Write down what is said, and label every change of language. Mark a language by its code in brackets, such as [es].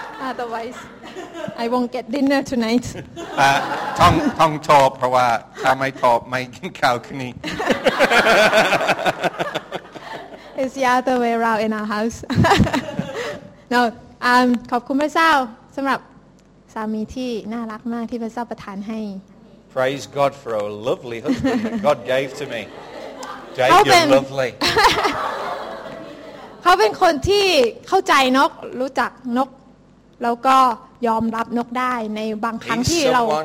[en] Otherwise, I won't get dinner tonight. [th] Tong top, เพราะว่าถ้าไม่ top, ไม่กินข้าวคืนนี้ [en] It's the other way around in our house. [th] No, ขอบคุณพระเจ้าสำหรับสามีที่น่ารักมากที่พระเจ้าประทานให้ [en] Praise God for a lovely husband God gave to me. Jake, you're lovely. [th] เขาเป็นคนที่เข้าใจนกรู้จักนกแล้วก็ยอมรับนกได้ในบางครั้งที่เรา